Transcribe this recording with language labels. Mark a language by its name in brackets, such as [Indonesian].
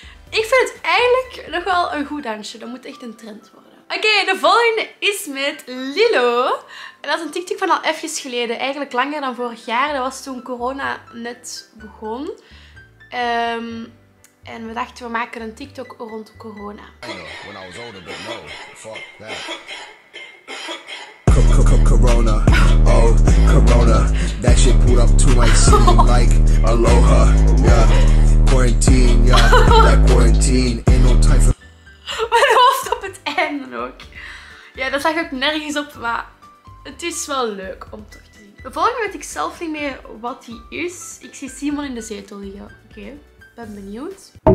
[Dutch] Ik vind het eigenlijk nog wel een goed dansje. Dat moet echt een trend worden. Oké, de volgende is met Lilo. En dat is een TikTok van al even geleden. Eigenlijk langer dan vorig jaar. Dat was toen corona net begon. En we dachten, we maken een TikTok rond corona. [English] When I was older, but no, fuck that. Corona, oh, corona. That shit pulled up to my city like aloha, yeah. Quarantine, yeah, that quarantine. Ain't no time for... [Dutch] Mijn hoofd op het einde ook. Ja, dat zag ik nergens op, maar het is wel leuk om toch te zien. De volgende weet ik zelf niet meer wat hij is. Ik zie Simon in de zetel liggen. Oké, ben benieuwd.